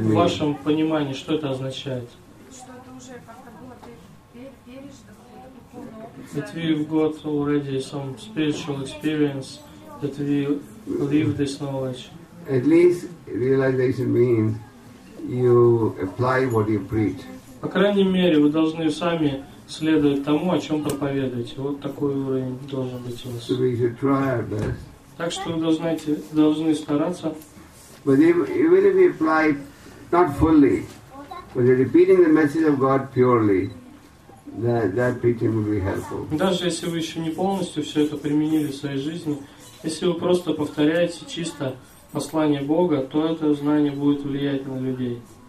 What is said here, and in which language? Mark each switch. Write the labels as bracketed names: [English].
[Russian] в вашем понимании, что это означает? Что это уже как-то было пережито, какой-то духовный опыт. [English] That we've got already some spiritual experience, that we live this knowledge. At least realization means you apply what you preach. [Russian] По крайней мере, вы должны сами следовать тому, о чем проповедуете. Вот такой уровень должен быть у вас. [English] So we should try our best. [Russian] Так что вы должны стараться. [English] But even if we apply not fully, but repeating the message of God purely, that preaching will be helpful. [Russian] Даже если вы еще не полностью все это применили в своей жизни, если вы просто повторяете чисто послание Бога, то это знание будет влиять на людей.